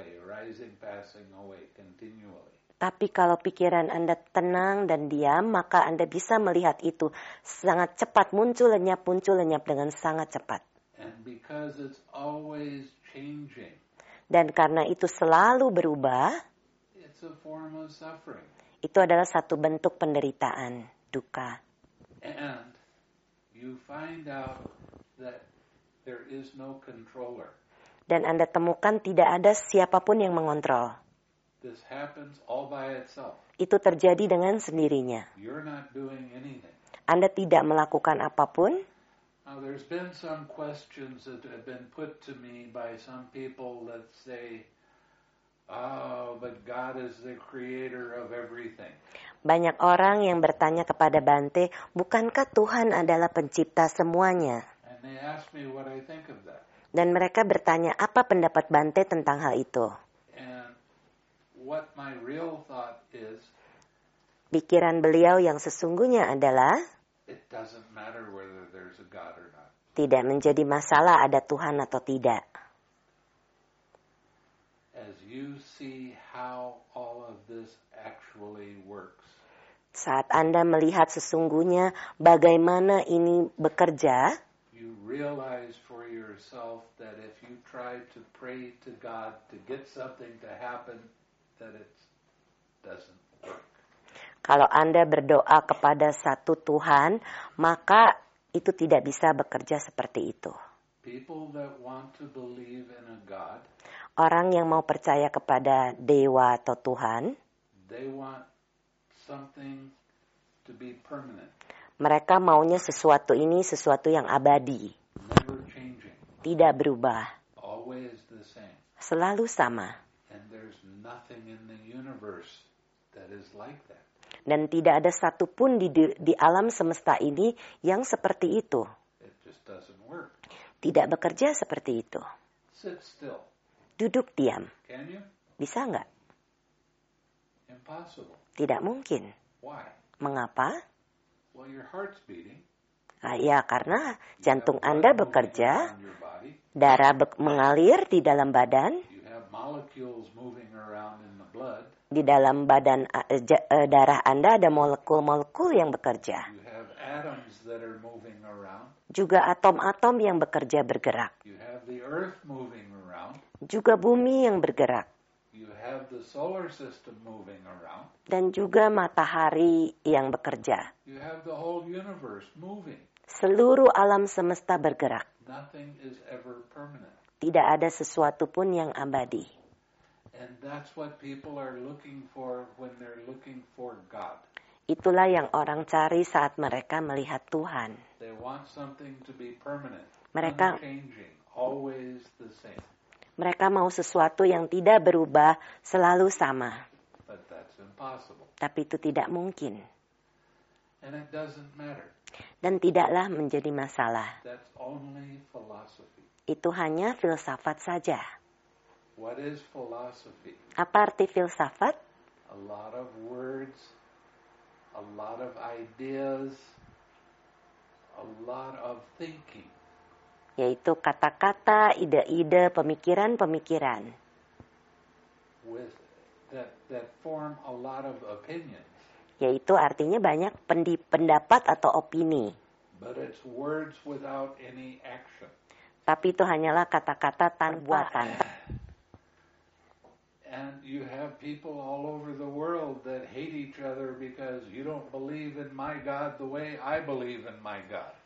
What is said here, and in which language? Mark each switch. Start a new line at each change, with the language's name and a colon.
English: Arising, passing away, continually.
Indonesian: Tapi kalau pikiran Anda tenang dan diam, maka Anda bisa melihat itu sangat cepat muncul lenyap dengan sangat cepat.
English: And because it's always changing.
Indonesian: Dan karena itu selalu berubah,
English: it's a form of suffering.
Indonesian: Itu adalah satu bentuk penderitaan, duka.
English: And you find out that there is no controller.
Indonesian: dan Anda temukan tidak ada siapapun yang mengontrol.
English: This happens all by itself.
Indonesian: Itu terjadi dengan sendirinya.
English: You're not doing anything.
Indonesian: Anda tidak melakukan apapun.
English: Now, there's been some questions that have been put to me by some people that say, oh, but God is the creator of everything.
Indonesian: Banyak orang yang bertanya kepada Bante, bukankah Tuhan adalah pencipta semuanya?
English: And they ask me what I think of that.
Indonesian: Dan mereka bertanya apa pendapat Bante tentang hal itu.
English: And what my real thought is,
Indonesian: pikiran beliau yang sesungguhnya adalah,
English: it doesn't matter whether there's a God or not.
Indonesian: Tidak menjadi masalah ada Tuhan atau tidak.
English: As you see how all of this actually works.
Indonesian: Saat Anda melihat sesungguhnya bagaimana ini bekerja,
English: you realize for yourself that if you try to pray to God to get something to happen, that it doesn't work.
Indonesian: Kalau Anda berdoa kepada satu Tuhan, maka itu tidak bisa bekerja seperti itu.
English: People that want to believe in a God,
Indonesian: orang yang mau percaya kepada dewa atau Tuhan,
English: they want something to be permanent.
Indonesian: Mereka maunya sesuatu ini sesuatu yang abadi.
English: Never changing.
Indonesian: Tidak berubah.
English: Always the same.
Indonesian: Selalu sama.
English: And there's nothing in the universe that is like that.
Indonesian: Dan tidak ada satupun di alam semesta ini yang seperti itu.
English: It just doesn't work.
Indonesian: Tidak bekerja seperti itu.
English: Sit still.
Indonesian: Duduk diam.
English: Can you?
Indonesian: Bisa enggak?
English: Impossible.
Indonesian: Tidak mungkin.
English: Why?
Indonesian: Mengapa?
English: Well, your heart's beating.
Indonesian: Ya, karena jantung Anda bekerja, darah mengalir di dalam badan.
English: You have molecules moving around in the blood.
Indonesian: Di dalam badan darah Anda ada molekul-molekul yang bekerja.
English: You have atoms that are moving around.
Indonesian: Juga atom-atom yang bekerja bergerak.
English: You have the earth moving around.
Indonesian: Juga bumi yang bergerak.
English: You have the solar system moving around.
Indonesian: Dan juga matahari yang bekerja.
English: You have the whole universe moving.
Indonesian: Seluruh alam semesta bergerak.
English: Nothing is ever permanent.
Indonesian: Tidak ada sesuatu pun yang abadi.
English: And that's what people are looking for when they're looking for God.
Indonesian: Itulah yang orang cari saat mereka melihat Tuhan.
English: They want something to be permanent.
Indonesian: Mereka
English: unchanging, always the same.
Indonesian: Mereka mau sesuatu yang tidak berubah, selalu sama.
English: But that's impossible.
Indonesian: Tapi itu tidak mungkin.
English: And it doesn't matter.
Indonesian: Dan tidaklah menjadi masalah.
English: That's only philosophy.
Indonesian: Itu hanya filsafat saja.
English: What is philosophy?
Indonesian: Apa arti filsafat?
English: A lot of words, a lot of ideas, a lot of thinking.
Indonesian: Yaitu kata-kata, ide-ide, pemikiran-pemikiran.
English: That form a lot of opinions.
Indonesian: Yaitu artinya banyak pendapat atau opini.
English: But it's words without any action.
Indonesian: Tapi itu hanyalah kata-kata tanpa buatan.
English: And you have people all over the world that hate each other because you don't believe in my God the way I believe in my God.